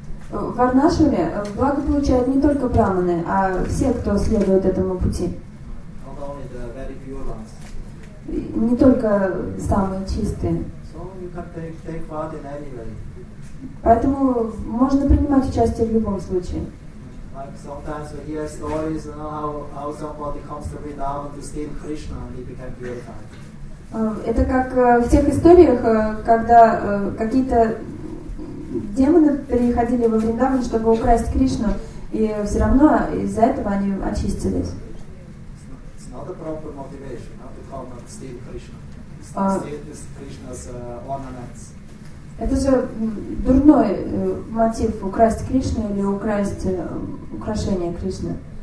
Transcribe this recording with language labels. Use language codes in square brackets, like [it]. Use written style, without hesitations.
[ru] В Арнашраме благо получают не только браманы, а все, кто следует этому пути. [en] Not only the very pure ones. [ru] Не только самые чистые. [en] So you can take part in any way. [ru] Поэтому можно принимать участие в любом случае. [en] Like sometimes we hear stories, you know, how somebody comes to Vrindavan to steal Krishna and he became purified. [ru] Это как в тех историях, когда какие-то демоны приходили во Вриндаван, чтобы украсть Кришну, и все равно из-за этого они очистились. [en] It's not a proper motivation, not to come and steal Krishna. It's Krishna's ornaments. [ru] Это же дурной мотив украсть Кришну или украсть украшение Кришны.